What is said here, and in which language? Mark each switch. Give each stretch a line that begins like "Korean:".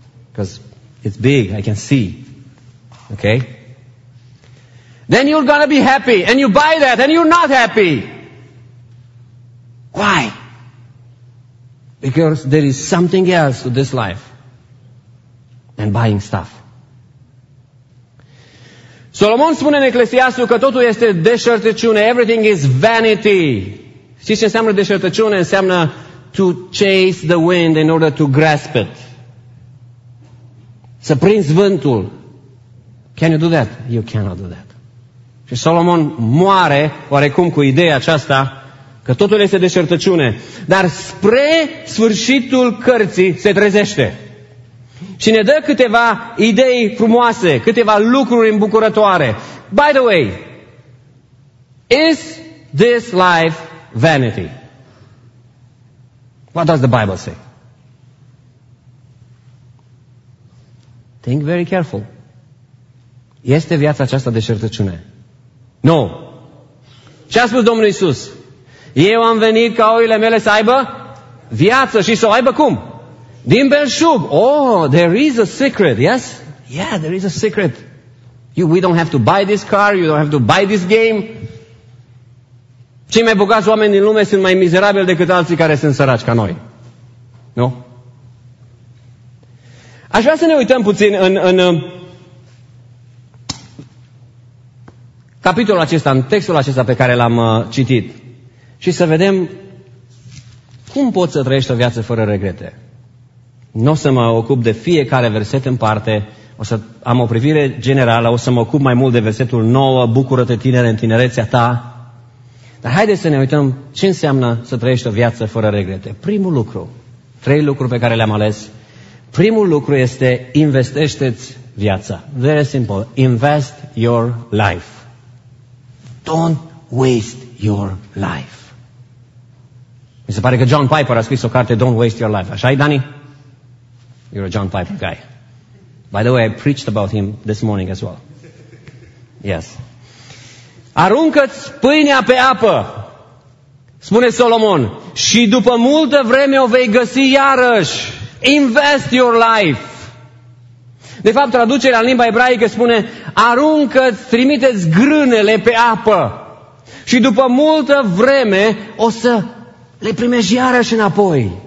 English: Because it's big, I can see. Okay? Then you're gonna be happy, and you buy that, and you're not happy. Why? Because there is something else to this life than buying stuff.
Romanian: Solomon spune în Eclesiastul că totul este deșertăciune.
English: Everything is vanity.
Romanian: Știți ce înseamnă deșertăciune? Înseamnă
English: to chase the wind in order to grasp it.
Romanian: Să prinzi vântul.
English: Can you do that? You cannot do that.
Romanian: Și Solomon moare oarecum cu ideea aceasta că totul este deșertăciune. Dar spre sfârșitul cărții se trezește. Și ne dă câteva idei frumoase, câteva lucruri îmbucurătoare.
English: By the way, is this life vanity? What does the Bible say? Think very careful.
Romanian: Este viața aceasta deșertăciune?
English: No.
Romanian: Ce a spus Domnul Iisus? Eu am venit ca oile mele să aibă viață și să o aibă cum? Din belșug.
English: Oh, there is a secret, yes? Yeah, there is a secret. We don't have to buy this car, you don't have to buy this game.
Romanian: Cei mai bogați oameni din lume sunt mai mizerabili decât alții care sunt săraci ca noi. Nu? Aș vrea să ne uităm puțin în capitolul acesta, în textul acesta pe care l-am citit. Și să vedem cum poți să trăiești o viață fără regrete. Nu o să mă ocup de fiecare verset în parte, o să am o privire generală, o să mă ocup mai mult de versetul 9, bucură-te tinere în tinerețea ta. Dar haideți să ne uităm ce înseamnă să trăiești o viață fără regrete. Primul lucru, trei lucruri pe care le-am ales. Primul lucru este investește-ți viața.
English: Very simple, invest your life. Don't waste your life.
Romanian: Mi se pare că John Piper a scris o carte, Don't Waste Your Life. Așa-i, Dani?
English: You're a John Piper guy. By the way, I preached about him this morning as well. Yes.
Romanian: Aruncă-ți pâinea pe apă, spune Solomon, și după multă vreme o vei găsi iarăși.
English: Invest your life.
Romanian: De fapt, traducerea în limba ebraică spune, aruncă-ți, trimite-ți grânele pe apă și după multă vreme o să le primești iarăși înapoi.